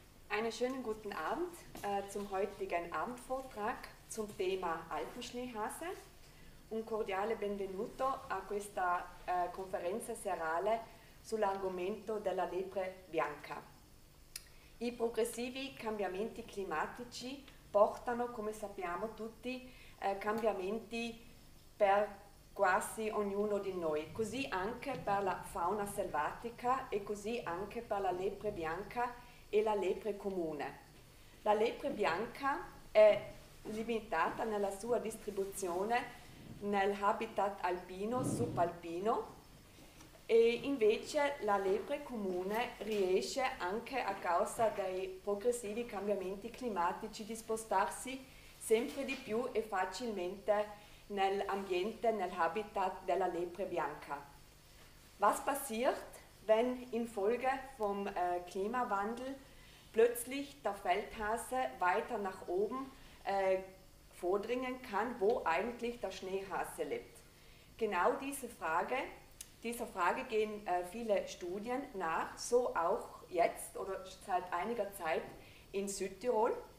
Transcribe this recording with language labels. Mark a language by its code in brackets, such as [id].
[de] Einen schönen guten Abend zum heutigen Abendvortrag zum Thema Alpenschneehase. [it] Un cordiale benvenuto a questa conferenza serale sull'argomento della lepre bianca. I progressivi cambiamenti climatici portano, come sappiamo tutti, cambiamenti per quasi ognuno di noi, così anche per la fauna selvatica e così anche per la lepre bianca e la lepre comune. La lepre bianca è limitata nella sua distribuzione nel habitat alpino, subalpino, e invece la lepre comune riesce anche a causa dei progressivi cambiamenti climatici di spostarsi sempre di più e facilmente nell'ambiente, nel habitat della lepre bianca. [de] Was passiert, wenn infolge vom Klimawandel plötzlich der Feldhase weiter nach oben vordringen kann, wo eigentlich der Schneehase lebt? Genau diese Frage, dieser Frage gehen viele Studien nach, so auch jetzt oder seit einiger Zeit in Südtirol.